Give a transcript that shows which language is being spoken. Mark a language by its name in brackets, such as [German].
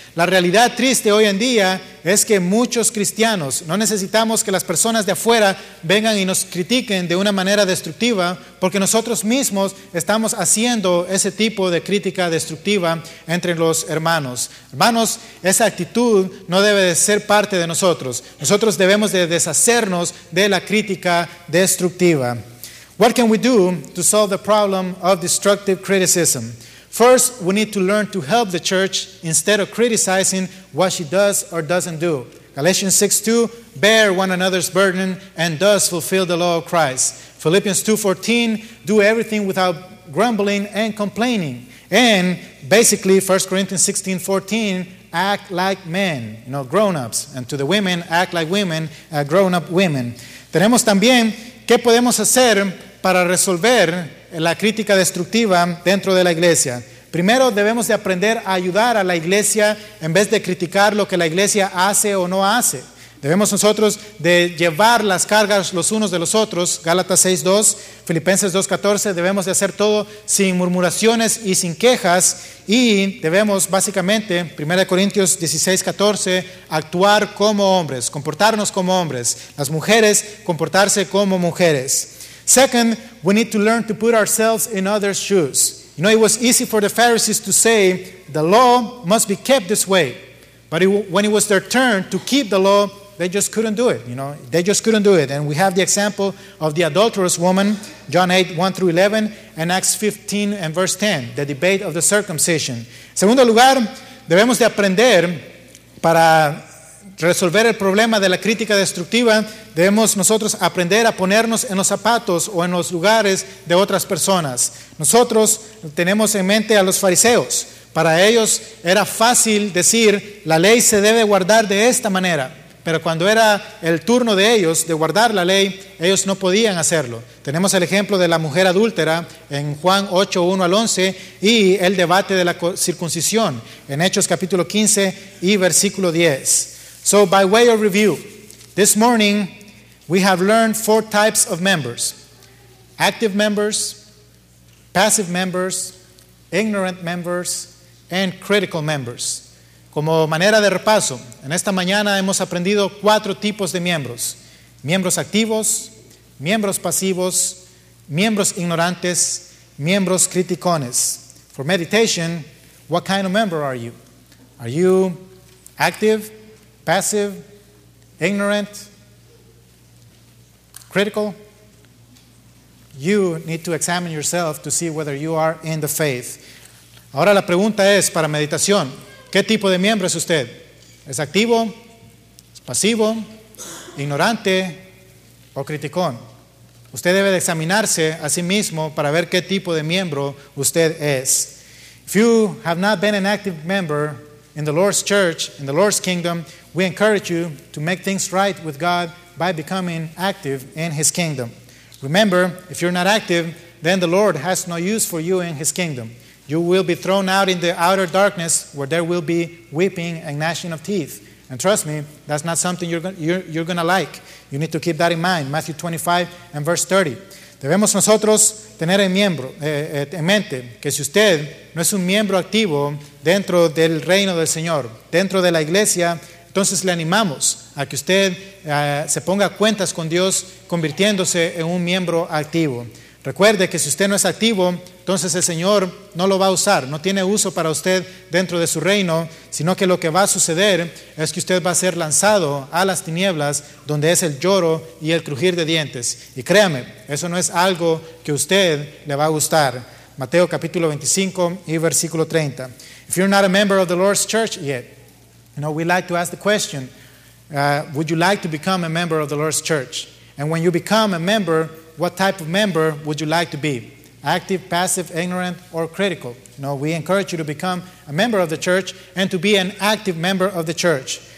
[Spanish] La realidad triste hoy en día es que muchos cristianos, no necesitamos que las personas de afuera vengan y nos critiquen de una manera destructiva, porque nosotros mismos estamos haciendo ese tipo de crítica destructiva entre los hermanos. Hermanos, esa actitud no debe de ser parte de nosotros. Nosotros debemos de deshacernos de la crítica destructiva. [English] What can we do to solve the problem of destructive criticism? First, we need to learn to help the church instead of criticizing what she does or doesn't do. Galatians 6:2, bear one another's burden and thus fulfill the law of Christ. Philippians 2:14, do everything without grumbling and complaining. And basically, 1 Corinthians 16:14, act like men, you know, grown-ups. And to the women, act like women, grown-up women. [Spanish] Tenemos también, ¿qué podemos hacer para resolver la crítica destructiva dentro de la iglesia? Primero, debemos de aprender a ayudar a la iglesia en vez de criticar lo que la iglesia hace o no hace. Debemos nosotros de llevar las cargas los unos de los otros. Gálatas 6:2, Filipenses 2:14, debemos de hacer todo sin murmuraciones y sin quejas. Y debemos básicamente, 1 Corintios 16:14, actuar como hombres, comportarnos como hombres. Las mujeres, comportarse como mujeres. [English] Second, we need to learn to put ourselves in others' shoes. You know, it was easy for the Pharisees to say, the law must be kept this way. But when it was their turn to keep the law, they just couldn't do it. You know, they just couldn't do it. And we have the example of the adulterous woman, John 8, 1 through 11, and Acts 15 and verse 10, the debate of the circumcision. [Spanish] Segundo lugar, debemos de aprender para resolver el problema de la crítica destructiva, debemos nosotros aprender a ponernos en los zapatos o en los lugares de otras personas. Nosotros tenemos en mente a los fariseos. Para ellos era fácil decir, la ley se debe guardar de esta manera. Pero cuando era el turno de ellos de guardar la ley, ellos no podían hacerlo. Tenemos el ejemplo de la mujer adúltera en Juan 8, 1 al 11 y el debate de la circuncisión en Hechos capítulo 15 y versículo 10. [English] So by way of review, this morning we have learned four types of members: active members, passive members, ignorant members, and critical members. [Spanish] Como manera de repaso, en esta mañana hemos aprendido cuatro tipos de miembros: miembros activos, miembros pasivos, miembros ignorantes, miembros criticones. [English] For meditation, what kind of member are you? Are you active, passive, ignorant, critical? You need to examine yourself to see whether you are in the faith. [Spanish] Ahora la pregunta es para meditación. ¿Qué tipo de miembro es usted? ¿Es activo, pasivo, ignorante o criticón? Usted debe de examinarse a sí mismo para ver qué tipo de miembro usted es. [English] If you have not been an active member in the Lord's church, in the Lord's kingdom, we encourage you to make things right with God by becoming active in His kingdom. Remember, if you're not active, then the Lord has no use for you in His kingdom. You will be thrown out in the outer darkness where there will be weeping and gnashing of teeth. And trust me, that's not something you're going to like. You need to keep that in mind. Matthew 25 and verse 30. [Spanish] Debemos nosotros tener en mente que si usted no es un miembro activo dentro del reino del Señor, dentro de la iglesia, entonces le animamos a que usted se ponga cuentas con Dios convirtiéndose en un miembro activo. Recuerde que si usted no es activo, entonces el Señor no lo va a usar, no tiene uso para usted dentro de su reino, sino que lo que va a suceder es que usted va a ser lanzado a las tinieblas donde es el lloro y el crujir de dientes. Y créame, eso no es algo que a usted le va a gustar. Mateo capítulo 25 y versículo 30. [English] If you're not a member of the Lord's church yet, you know, we'd like to ask the question, would you like to become a member of the Lord's church? And when you become a member, what type of member would you like to be? Active, passive, ignorant, or critical? No, we encourage you to become a member of the church and to be an active member of the church.